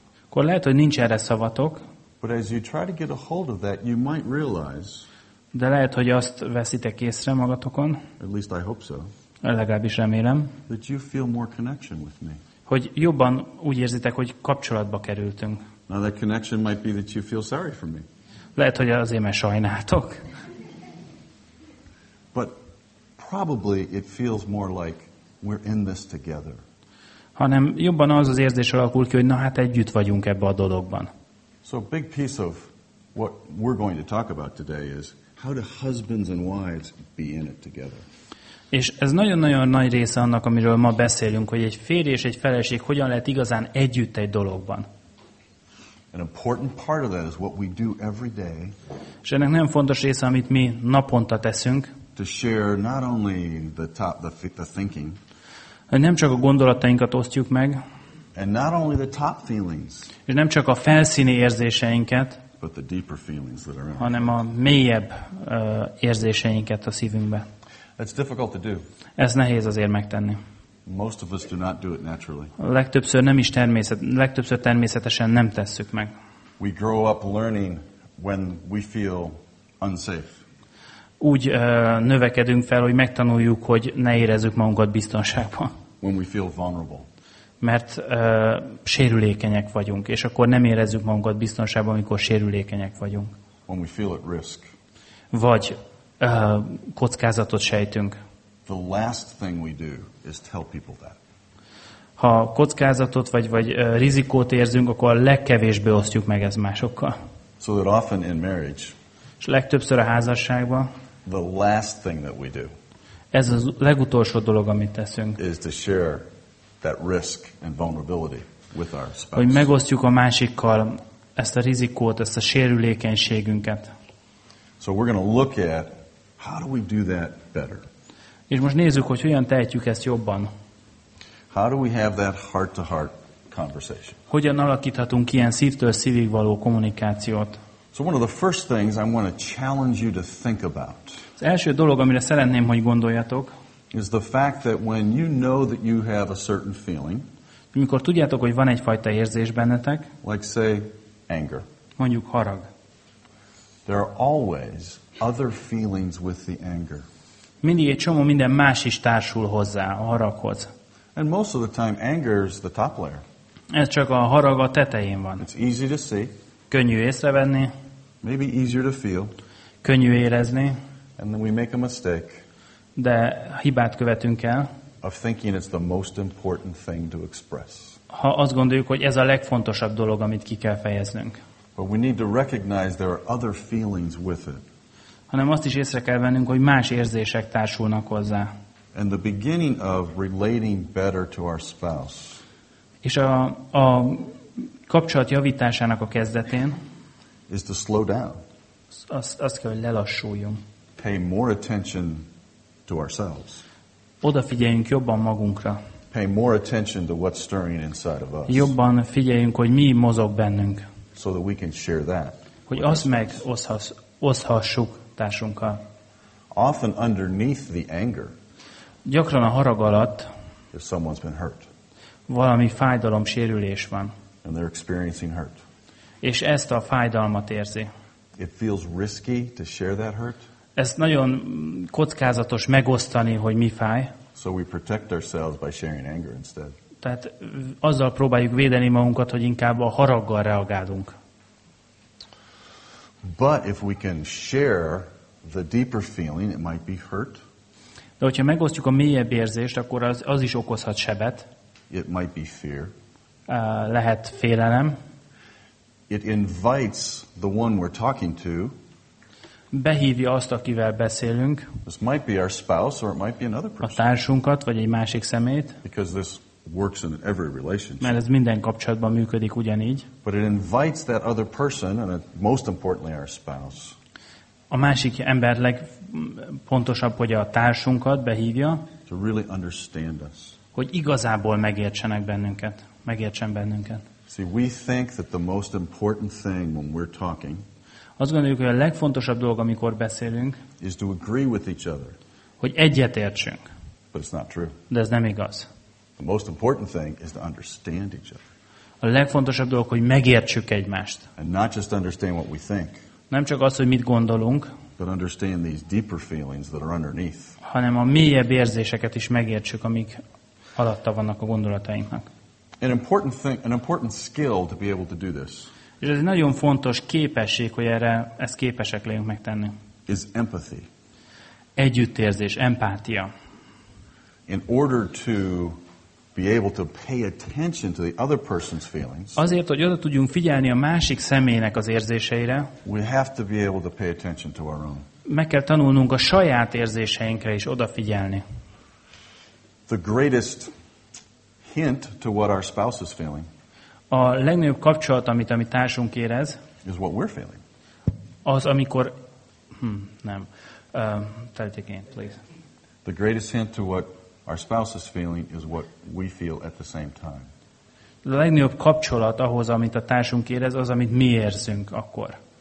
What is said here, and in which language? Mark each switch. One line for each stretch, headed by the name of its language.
Hungarian: Akkor lehet, hogy nincs erre szavatok.
English: But as you try to get a hold of that, you might realize.
Hungarian: De lehet, hogy azt veszitek észre magatokon.
English: At least I hope so.
Hungarian: Legalábbis remélem.
English: That you feel more connection with me.
Hungarian: Hogy jobban úgy érzitek, hogy kapcsolatba kerültünk.
English: Now that connection might be that you feel sorry for me.
Hungarian: Lehet, hogy azért, mert sajnáltok.
English: But probably it feels more like we're in this together.
Hungarian: Hanem jobban az az érzés alakul ki, hogy na hát együtt vagyunk ebbe a dologban.
English: So a big piece of what we're going to talk about today is how do husbands and wives be in it together.
Hungarian: És ez nagyon-nagyon nagy része annak, amiről ma beszélünk, hogy egy férj és egy feleség hogyan lehet igazán együtt egy dologban.
English: An important part of that is what we do every day.
Hungarian: És ennek nagyon fontos része, amit mi naponta teszünk.
English: To share not only the thinking.
Hungarian: Nem csak a gondolatainkat osztjuk meg.
English: And not only the top feelings.
Hungarian: És nem csak a felszíni érzéseinket.
English: But the deeper feelings that are in.
Hungarian: Hanem a mélyebb érzéseinket a szívünkbe.
English: It's difficult to do.
Hungarian: Ez nehéz azért megtenni.
English: Most of us do not do it naturally.
Hungarian: Legtöbbször nem is legtöbbször természetesen nem tesszük meg.
English: We grow up learning when we feel unsafe.
Hungarian: Úgy növekedünk fel, hogy megtanuljuk, hogy ne érezzük magunkat biztonságban.
English: When we feel vulnerable.
Hungarian: Mert sérülékenyek vagyunk, és akkor nem érezzük magunkat biztonságban, amikor sérülékenyek vagyunk.
English: When we feel at risk.
Hungarian: Vagy kockázatot sejtünk.
English: The last thing we do is tell people that.
Hungarian: Ha kockázatot vagy rizikót érzünk, akkor a legkevésbé osztjuk meg ezt másokkal.
English: So that often in marriage.
Hungarian: És legtöbbször a házasságban.
English: The last thing that we do.
Hungarian: Ez az legutolsó dolog, amit teszünk.
English: Is to share that risk and vulnerability with our spouse.
Hungarian: Hogy megosztjuk a másikkal ezt a rizikót, ezt a sérülékenységünket.
English: So we're going to look at how do we do that better.
Hungarian: És most nézzük, hogy hogyan tehetjük ezt jobban.
English: How do we have that heart-to-heart conversation?
Hungarian: Hogyan alakíthatunk ilyen szívtől szívig való kommunikációt?
English: So one of the first things I want to challenge you to think about.
Hungarian: Az első dolog, amire szeretném, hogy gondoljatok,
English: is the fact that when you know that you have a certain feeling,
Hungarian: amikor tudjátok, hogy van egyfajta érzés bennetek,
English: like say anger,
Hungarian: mondjuk harag,
English: there are always other feelings with the anger.
Hungarian: Mindig egy csomó minden más is társul hozzá, a haraghoz.
English: And most of the time anger is the top layer.
Hungarian: Ez csak a harag a tetején van.
English: It's easy to see.
Hungarian: Könnyű észrevenni.
English: Maybe easier to feel.
Hungarian: Könnyű érezni.
English: And then we make a mistake.
Hungarian: De hibát követünk el.
English: Of thinking it's the most important thing to express.
Hungarian: Ha azt gondoljuk, hogy ez a legfontosabb dolog, amit ki kell fejeznünk.
English: But we need to recognize there are other feelings with it.
Hungarian: Hanem azt is észre kell vennünk, hogy más érzések társulnak hozzá.
English: And the beginning of relating better to our spouse.
Hungarian: És a kapcsolat javításának a kezdetén
English: is to slow down.
Hungarian: Azt kell, hogy lelassuljunk.
English: Pay more attention to ourselves.
Hungarian: Odafigyeljünk jobban magunkra.
English: Pay more attention to what's stirring inside of us.
Hungarian: Jobban figyeljünk, hogy mi mozog bennünk.
English: So that we can share that.
Hungarian: Hogy azt megoszhassuk társunkkal.
English: Often underneath the anger.
Hungarian: Gyakran a harag alatt
English: if someone's been hurt.
Hungarian: Valami fájdalom, sérülés van.
English: And they're experiencing hurt.
Hungarian: És ezt a fájdalmat érzi.
English: It feels risky to share that hurt.
Hungarian: Ez nagyon kockázatos megosztani, hogy mi fáj.
English: So we protect ourselves by sharing anger instead.
Hungarian: Tehát azzal próbáljuk védeni magunkat, hogy inkább a haraggal reagálunk.
English: But if we can share the deeper feeling, it might be hurt.
Hungarian: De hogyha megosztjuk a mélyebb érzést, akkor az is okozhat sebet.
English: It might be fear.
Hungarian: Lehet félelem.
English: It invites the one we're talking to.
Hungarian: Behívja azt, akivel beszélünk.
English: This might be our spouse, or it might be another person.
Hungarian: A társunkat, vagy egy másik szemét.
English: Because this works in every relationship.
Hungarian: Mert ez minden kapcsolatban működik ugyanígy.
English: But it invites that other person, and most importantly our spouse.
Hungarian: A másik ember legpontosabb, hogy a társunkat behívja.
English: To really understand us.
Hungarian: Hogy igazából megértsenek bennünket, megértsen bennünket.
English: See, we think that the most important thing when we're talking.
Hungarian: Azt gondoljuk, hogy a legfontosabb dolog, amikor beszélünk,
English: is to agree with each other.
Hungarian: Hogy egyetértsünk.
English: But it's not true.
Hungarian: De ez nem igaz.
English: The most important thing is to understand each other.
Hungarian: A legfontosabb dolog, hogy megértsük egymást.
English: And not just understand what we think.
Hungarian: Nem csak az, hogy mit gondolunk,
English: but understand these deeper feelings that are underneath.
Hungarian: Hanem a mélyebb érzéseket is megértsük, amik alatta vannak a gondolatainknak.
English: An important skill to be able to do this.
Hungarian: És ez egy nagyon fontos képesség, hogy erre ezt képesek legyünk megtenni.
English: Is empathy.
Hungarian: Együttérzés, empátia.
English: In order to be able to pay attention to the other person's feelings.
Hungarian: Azért, hogy oda tudjunk figyelni a másik személynek az érzéseire.
English: We have to be able to pay attention to our own.
Hungarian: Meg kell tanulnunk a saját érzéseinkre is odafigyelni.
English: The greatest hint to what our spouse is feeling.
Hungarian: A legnagyobb kapcsolat, amit a mi társunk érez.
English: Is what we're feeling.
Hungarian: Az, amikor nem.
English: Tell it again, please. The greatest hint to what our spouse is feeling is what we feel at the same time.
Hungarian: A legnagyobb kapcsolat ahhoz, amit a társunk érez, az, amit mi érzünk akkor.